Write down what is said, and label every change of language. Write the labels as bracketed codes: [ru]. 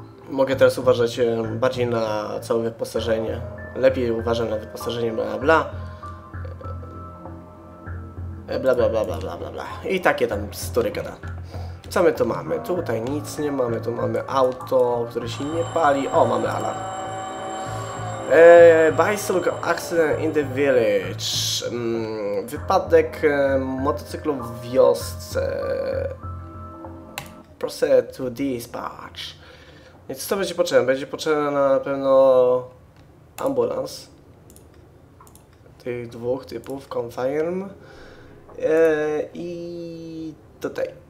[pl] Mogę teraz uważać bardziej na całe wyposażenie. Lepiej uważam na wyposażenie, bla bla. Bla bla bla bla bla bla. I takie tam story gada. Co my tu mamy? Tutaj nic nie mamy. Tu mamy auto, które się nie pali. O, mamy alarm. [en] Bicycle accident in the village. [pl] Wypadek motocyklu w wiosce. [en] Proceed to dispatch. [pl] Więc co będzie potrzebne? Będzie potrzebne na pewno ambulans. Tych dwóch typów. Confirm. I tutaj.